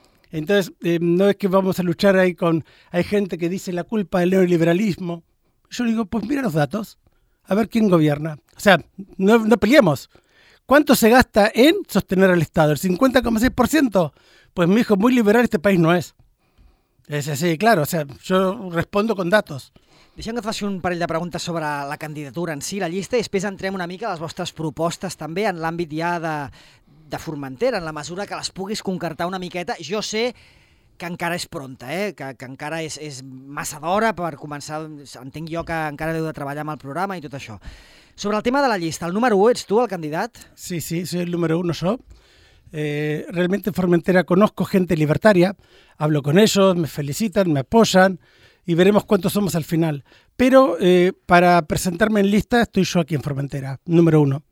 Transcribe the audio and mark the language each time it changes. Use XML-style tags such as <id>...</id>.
<es>Entonces, no es que vamos a luchar ahí con... Hay gente que dice la culpa del neoliberalismo. Yo digo, pues mira los datos, a ver quién gobierna. O sea, no peleemos. ¿Cuánto se gasta en sostener al Estado? ¿El 50,6%? Pues mi hijo, muy liberal este país no es. Es así, claro, o sea, yo respondo con datos.</es> <ca>Deixem que et faci un parell de preguntes sobre la candidatura en si, la llista, i després entrem una mica a les vostres propostes també en l'àmbit ja de Formentera, en la mesura que les puguis concretar una miqueta. Jo sé que encara és pronta, que encara és massa d'hora per començar, entenc jo que encara heu de treballar amb el programa i tot això. Sobre el tema de la llista, el número 1 ets tu, el candidat?</ca> <es>Sí, sí, soy el número 1, soy. Realmente en Formentera conozco gente libertaria, hablo con ellos, me felicitan, me apoyan y veremos cuántos somos al final. Pero para presentarme en lista estoy yo aquí en Formentera, número 1.</es>